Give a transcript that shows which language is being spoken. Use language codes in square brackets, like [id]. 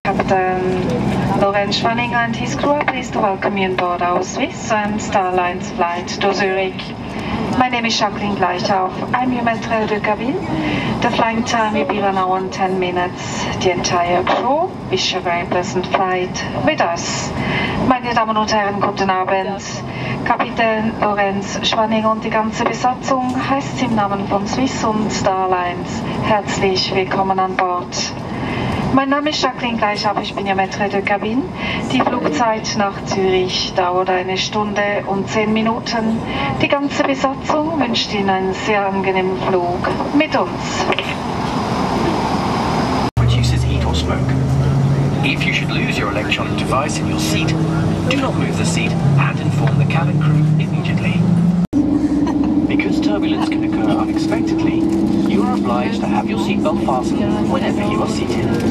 [en] Captain Lorenz Schwanninger and his crew are pleased to welcome you on board our Swiss and Starlines flight to Zurich. My name is Jacqueline Gleichauf. I'm your maître de cabine. The flying time will be 1 hour and 10 minutes. The entire crew wish you a very pleasant flight with us. [de] Meine Damen und Herren, guten Abend. Kapitän Lorenz Schwanninger und die ganze Besatzung heißt im Namen von Swiss und Starlines herzlich willkommen an Bord. Mein Name ist Jacqueline Gleichauf, ich bin ja maître de cabine. Die Flugzeit nach Zürich dauert 1 Stunde und 10 Minuten. Die ganze Besatzung wünscht Ihnen einen sehr angenehmen Flug mit uns. [en] Produces heat or smoke. If you should lose your electronic device in your seat, do not move the seat and inform the cabin crew immediately. Because turbulence can occur unexpectedly, you are obliged to have your seatbelt fastened whenever you are seated.